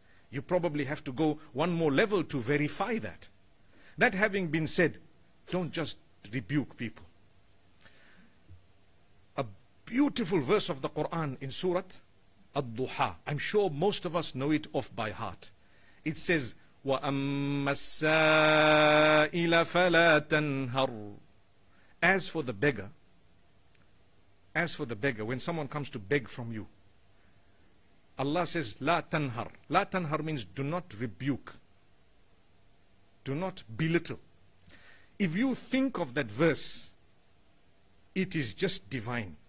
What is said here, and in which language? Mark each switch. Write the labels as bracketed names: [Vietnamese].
[English] You probably have to go one more level to verify that. That having been said, don't just rebuke people. A beautiful verse of the Quran in Surah Ad-Duha. I'm sure most of us know it off by heart. It says, [Arabic] وَأَمَّا السَّائِلَ فَلَا تَنْهَرُ. [English] As for the beggar, when someone comes to beg from you, Allah says, La tanhar. La tanhar means do not rebuke. Do not belittle. If you think of that verse, it is just divine.